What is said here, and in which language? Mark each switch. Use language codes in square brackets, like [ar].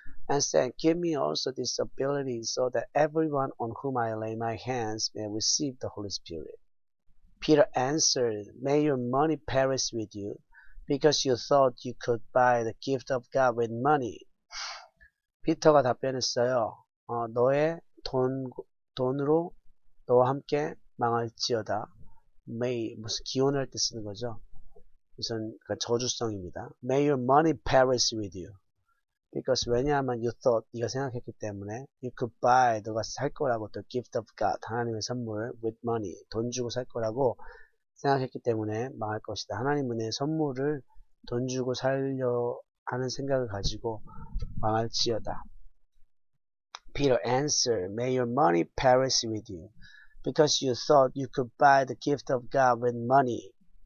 [en] And said, Give me also this ability so that everyone on whom I lay my hands may receive the Holy Spirit. Peter answered, May your money perish with you, because you thought you could buy the gift of God with money. [ko] 피터가 답변했어요. 너의 돈으로 너와 함께 망할지어다. May, 무슨 기원할 때 쓰는 거죠. 우선, 그러니까 저주성입니다. [en] May your money perish with you. Because, [ko] 왜냐하면, [en] you thought, [ko] 네가 생각했기 때문에, [en] you could buy, [ko] 너가 살 거라고, [en] the gift of God, [ko] 하나님의 선물, [en] with money, [ko] 돈 주고 살 거라고 생각했기 때문에 망할 것이다. 하나님은 내 선물을 돈 주고 살려 하는 생각을 가지고 망할지어다. [en] Peter answered, May your money perish with you, because you thought you could buy the gift of God with money.